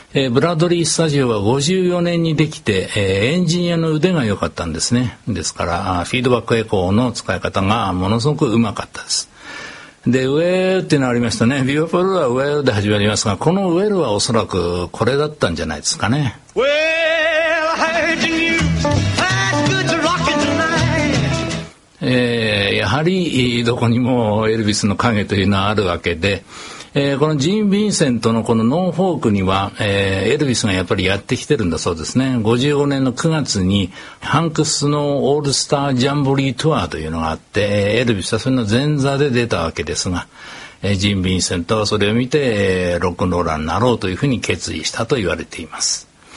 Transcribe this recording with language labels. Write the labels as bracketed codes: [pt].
[ja] ブラッドリースタジオは54年にできて、エンジニアの腕が良かったんですね。ですからフィードバックエコーの使い方がものすごくうまかったです。でウェルっていうのありましたね。ビューポルはウェルで始まりますが、このウェルはおそらくこれだったんじゃないですかね。 [en] ウェル、I heard you had good rockin' tonight。 [ja] やはりどこにもエルヴィスの影というのはあるわけで、このジーン・ヴィンセントのこのノーフォークには、エルヴィスがやっぱりやってきてるんだそうですね。 55年の9月にハンクスのオールスタージャンボリートアーというのがあって、エルヴィスはそれの前座で出たわけですが、ジーン・ヴィンセントはそれを見て、ロックンローラーになろうというふうに決意したと言われています。